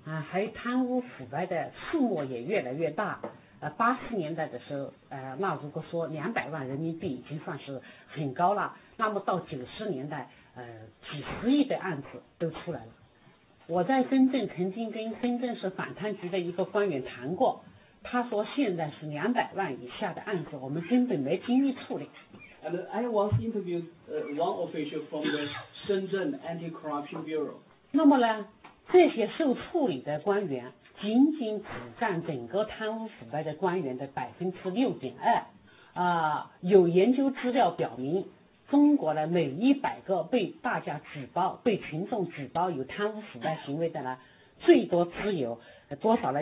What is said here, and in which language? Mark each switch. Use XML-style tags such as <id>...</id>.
<zh>还有贪污腐败的数目也越来越大，80年代的时候，那如果说200万人民币已经算是很高了，那么到90年代，几十亿的案子都出来了。我在深圳曾经跟深圳市反贪局的一个官员谈过，他说现在是200万以下的案子，我们根本没精力处理。</zh> <en>And I once interviewed one official from the Shenzhen Anti-Corruption Bureau.</en> <zh>那么呢？这些受处理的官员仅仅只占整个贪污腐败的官员的6.2%。有研究资料表明，中国的每100个被大家举报、被群众举报有贪污腐败行为的呢，最多只有多少呢？</zh>